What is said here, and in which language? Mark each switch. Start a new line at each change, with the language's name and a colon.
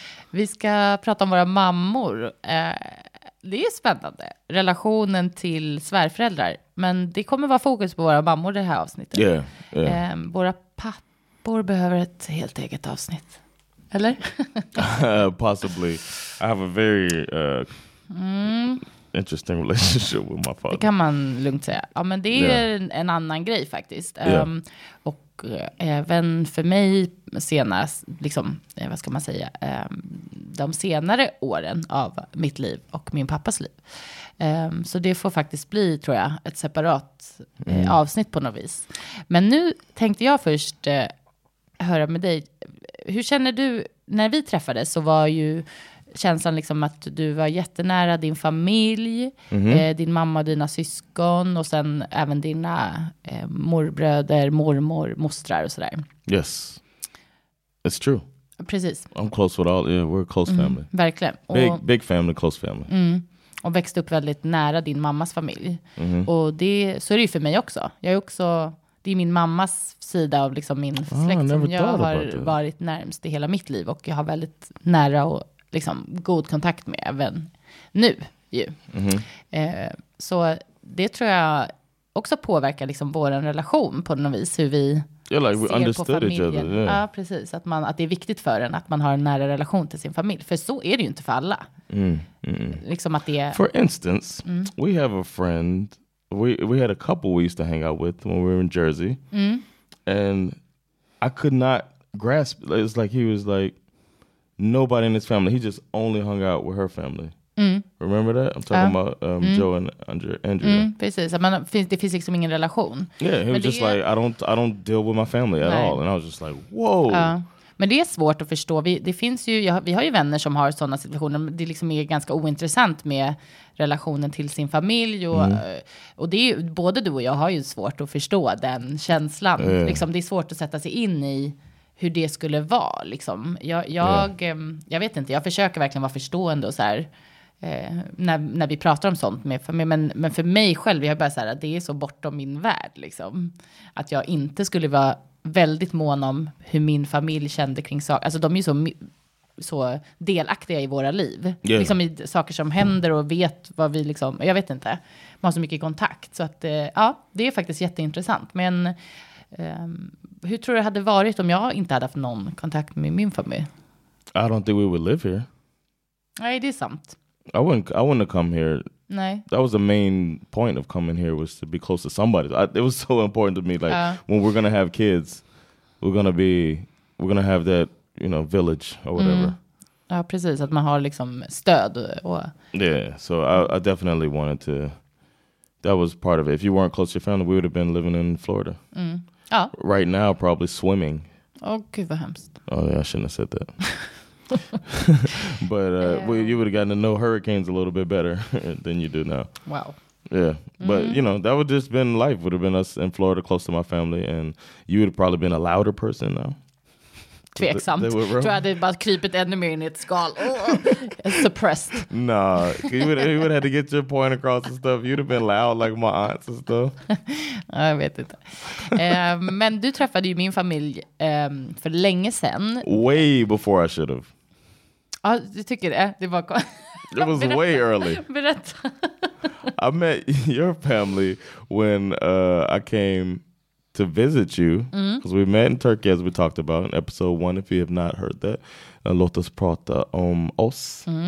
Swedish: Vi ska prata om våra mammor. Det är spännande. Relationen till svärföräldrar. Men det kommer vara fokus på våra mammor det här avsnittet.
English: Yeah, yeah.
Swedish: Våra pappor behöver ett helt eget avsnitt. Eller?
English: possibly. I have a very interesting relationship with my father.
Swedish: Det kan man lugnt säga. Ja, men det är en annan grej faktiskt. Och även för mig senast, liksom, vad ska man säga, de senare åren av mitt liv och min pappas liv. Så det får faktiskt bli, tror jag, ett separat avsnitt på något vis. Men nu tänkte jag först höra med dig. Hur känner du, när vi träffades så var ju känslan liksom att du var jättenära din familj, din mamma och dina syskon och sen även dina morbröder, mormor, mostrar och sådär.
English: Yes, it's true.
Swedish: Precis.
English: I'm close with all, we're a close family.
Swedish: Verkligen.
English: Big family, close family. Mm.
Swedish: Och växte upp väldigt nära din mammas familj. Mm-hmm. Och det, så är det ju för mig också. Jag är också, det är min mammas sida av liksom min släkt som jag har varit närmast i hela mitt liv. Och jag har väldigt nära och liksom god kontakt med även nu. Ju. Mm-hmm. Så det tror jag också påverkar liksom vår relation på något vis. Hur vi
English: Like we understood each other.
Swedish: Ja, precis. Att, man, att det är viktigt för en att man har en nära relation till sin familj. För så är det ju inte för alla. Liksom att det är...
English: For instance, we have a friend. We had a couple we used to hang out with when we were in Jersey. And I could not grasp. It's like he was like nobody in his family. He just only hung out with her family. Remember that? I'm talking about Joe and Andrea.
Swedish: Precis. Men det finns liksom ingen relation.
English: Yeah, he was just like I don't deal with my family at all. And I was just like, whoa.
Swedish: Men det är svårt att förstå. Vi har ju vänner som har sådana situationer. Det liksom är ganska ointressant med relationen till sin familj. Och det är ju, både du och jag har ju svårt att förstå den känslan. Liksom, det är svårt att sätta sig in i hur det skulle vara. Liksom. Jag vet inte, jag försöker verkligen vara förstående och så här, när vi pratar om sånt med familj. Men för mig själv, jag är bara så här, det är så bortom min värld. Liksom. Att jag inte skulle vara väldigt mån om hur min familj kände kring saker. Alltså de är ju så delaktiga i våra liv.
English: Yeah.
Swedish: Liksom i saker som händer och vet vad vi liksom, jag vet inte. Man har så mycket kontakt. Så att ja, det är faktiskt jätteintressant. Men hur tror du det hade varit om jag inte hade haft någon kontakt med min familj?
English: I don't think we would live here.
Swedish: Nej, det är sant.
English: I wouldn't have come here.
Swedish: Nej.
English: That was the main point of coming here was to be close to somebody. It was so important to me. Like when we're gonna have kids, we're gonna have that, you know, village or whatever.
Swedish: Ja, precis, att man har liksom stöd och.
English: Yeah, so I definitely wanted to. That was part of it. If you weren't close to your family, we would have been living in Florida. Mm. Ja. Right now, probably swimming.
Swedish: Oh, gud, vad hemskt.
English: Oh yeah, I shouldn't have said that. But you would have gotten to know hurricanes a little bit better than you do now. Wow. Yeah, but you know, that would just been life. Would have been us in Florida, close to my family, and you would have probably been a louder person now.
Swedish: Tveksamt. Tror jag hade bara krypit ännu mer in i ett skal.
English: Suppressed. Nah, you would have had to get your point across and stuff. You'd have been loud like my aunts and stuff.
Swedish: Ja, jag vet inte. Men du träffade ju min familj för länge sedan.
English: Way before I should have.
Swedish: Ja, du tycker det? Det var
English: It was way early.
Swedish: Berätta.
English: I met your family when I came to visit you, because we met in Turkey, as we talked about in episode 1, if you have not heard that,
Swedish: låt oss prata om oss.